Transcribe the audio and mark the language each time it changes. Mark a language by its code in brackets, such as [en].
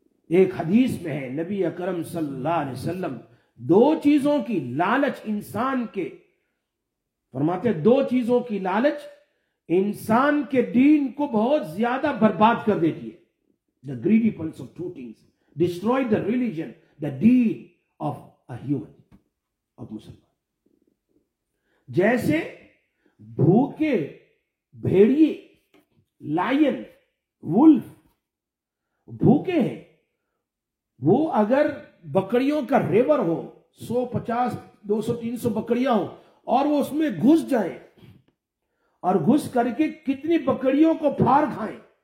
[ur] ایک حدیث میں ہے نبی اکرم صلی اللہ علیہ وسلم دو چیزوں کی لالچ انسان کے فرماتے ہیں دو چیزوں کی لالچ انسان کے دین کو بہت زیادہ برباد کر دیتی ہے. [en] The greedy pulse of two things destroy the religion, the deen of a human, of Muslim. [ur] جیسے بھوکے بھیڑیے لائن وولف بھوکے ہیں, وہ اگر بکریوں کا ریور ہو 150, 200, 300 بکریاں ہو اور وہ اس میں گھس جائیں اور گھس کر کے کتنی بکریوں کو پھاڑ کھائیں,